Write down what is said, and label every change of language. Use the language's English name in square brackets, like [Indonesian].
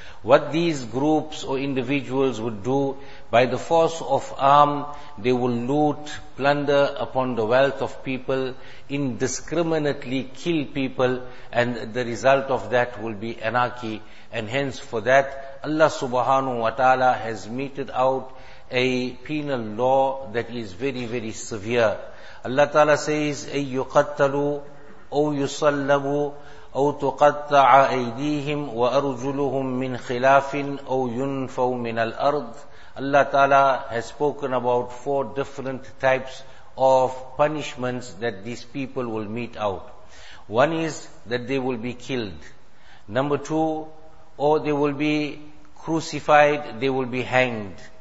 [English] What these groups or individuals would do, by the force of arm, they will loot, plunder upon the wealth of people, indiscriminately kill people, and the result of that will be anarchy. And hence for that, Allah subhanahu wa ta'ala has meted out a penal law that is very, very severe. Allah ta'ala says, [Arabic] أَيْ يُقَتَّلُوا أَوْ يُصَلَّبُوا أَوْ تُقَطَّعَ أَيْدِيهِمْ وَأَرْجُلُهُمْ مِنْ خِلَافٍ أَوْ يُنْفَوْ مِنَ الْأَرْضِ. [English] Allah Ta'ala has spoken about four different types of punishments that these people will meet out. One is that they will be killed. Number two, or they will be crucified, they will be hanged.